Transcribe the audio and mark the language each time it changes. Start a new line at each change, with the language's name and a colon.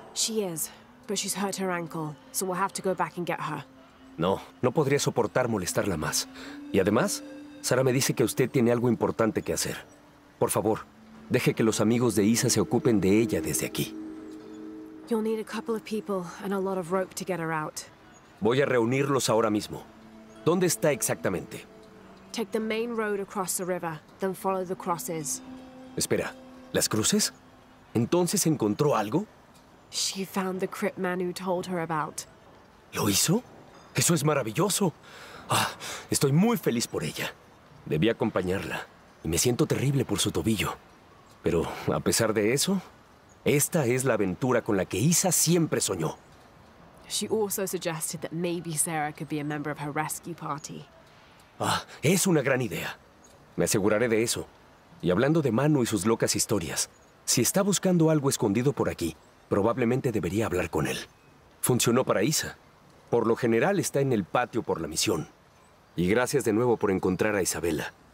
English: She is, but she's hurt her ankle, so we'll have to go back and get her.
Spanish: No, no podría soportar molestarla más. Y además, Sara me dice que usted tiene algo importante que hacer. Por favor, deje que los amigos de Isa se ocupen de ella desde aquí.
English: You'll need a couple of people and a lot of rope to get her out.
Spanish: Voy a reunirlos ahora mismo. ¿Dónde está exactamente?
English: Take the main road across the river, then follow the crosses.
Spanish: Espera, ¿las cruces? ¿Entonces encontró algo?
English: She found the crypt man who told her about.
Spanish: ¿Lo hizo? ¡Eso es maravilloso! Ah, estoy muy feliz por ella. Debí acompañarla, y me siento terrible por su tobillo. Pero, a pesar de eso, esta es la aventura con la que Isa siempre soñó.
English: She also suggested that maybe Sarah could be a member of her rescue party.
Spanish: Ah, es una gran idea. Me aseguraré de eso. Y hablando de Manu y sus locas historias, si está buscando algo escondido por aquí, probablemente debería hablar con él. Funcionó para Isa. Por lo general está en el patio por la misión. Y gracias de nuevo por encontrar a Isabella.